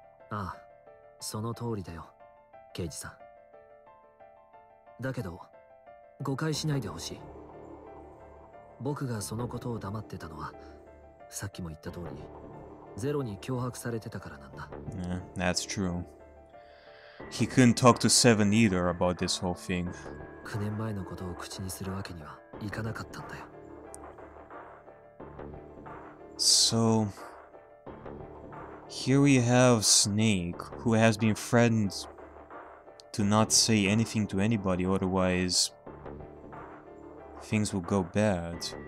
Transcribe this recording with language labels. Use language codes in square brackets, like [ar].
[ja] ああ、その通りだよ、刑事さん。だけど、誤解しないでほしい。僕がそのことを黙ってたのは、さっきも言った通り、ゼロに脅迫されてたからなんだ。 [en] Yeah, that's true. He couldn't talk to Seven either about this whole thing. [ja] 9年前のことを口にするわけにはいかなかったんだよ。 [en] So, here we have Snake, who has been threatened to not say anything to anybody, otherwise things will go bad.